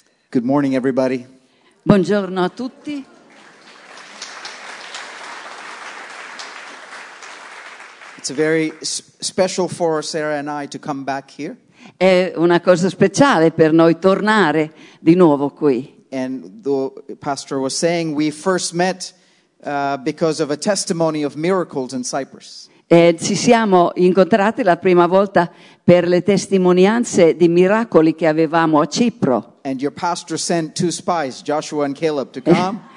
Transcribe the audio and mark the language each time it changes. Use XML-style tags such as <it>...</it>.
<en>Good morning, everybody.</en> <it>Buongiorno a tutti.</it> <en>It's a very special for Sarah and I to come back here.</en> <it>È una cosa speciale per noi tornare di nuovo qui.</it> <en>And the pastor was saying we first met because of a testimony of miracles in Cyprus.</en> <it>E ci siamo incontrati la prima volta per le testimonianze di miracoli che avevamo a Cipro.</it> <en>And your pastor sent two spies, Joshua and Caleb, to come.</en>